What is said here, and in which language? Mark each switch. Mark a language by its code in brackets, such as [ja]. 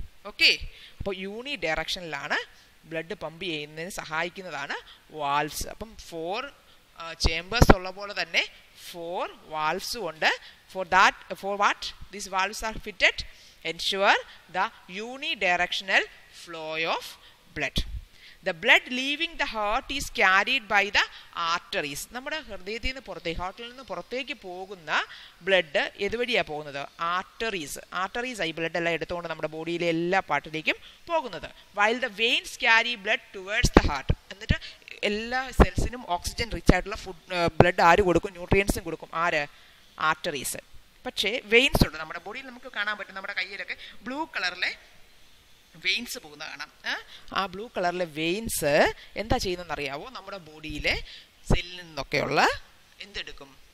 [ml] Okay, അപ്പോൾ യൂണി ഡയറക്ഷനിലാണ് blood pump ചെയ്യുന്നതിന് സഹായിക്കുന്നതാണ് വാൽവ്സ്. അപ്പം ഫോർ ചേംബേഴ്സ് ഉള്ള പോലെ തന്നെ ഫോർ വാൽവ്സ് ഉണ്ട്. [en] For what these valves are fitted? Ensure the unidirectional flow of blood. The blood leaving the heart is carried by the arteries. [ml] നമ്മുടെ ഹൃദയത്തിൽ നിന്ന് പുറത്തേക്ക്, ഹാർട്ടിൽ നിന്ന് പുറത്തേക്ക് പോകുന്ന ബ്ലഡ് എതുവഴിയാണ് പോകുന്നത്? ആർട്ടറീസ്. ആർട്ടറീസ് ആയി ബ്ലഡ് എല്ലാം എടുത്തുകൊണ്ട് നമ്മുടെ ബോഡിയിലെ എല്ലാ പാർട്ടിലേക്കും പോകുന്നത്. [en] While the veins carry blood towards the heart. [ml] എന്നിട്ട് എല്ലാ സെൽസിനും ഓക്സിജൻ റിച്ച് ആയിട്ടുള്ള ഫുഡ് ബ്ലഡ് ആര് കൊടുക്കും? ന്യൂട്രിയൻസും കൊടുക്കും. ആര്? ആർട്ടറീസ്. പക്ഷേ വെയിൻസ് ഉണ്ട് നമ്മുടെ ബോഡിയിൽ, നമുക്ക് കാണാൻ പറ്റും നമ്മുടെ കയ്യിലൊക്കെ ബ്ലൂ കളറിലെ വെയിൻസ് പോകുന്ന കാണാം. ആ ബ്ലൂ കളറിലെ വെയിൻസ് എന്താ ചെയ്യുന്നതെന്ന് അറിയാവോ? നമ്മുടെ ബോഡിയിലെ സെല്ലിൽ നിന്നൊക്കെയുള്ള എന്തെടുക്കും?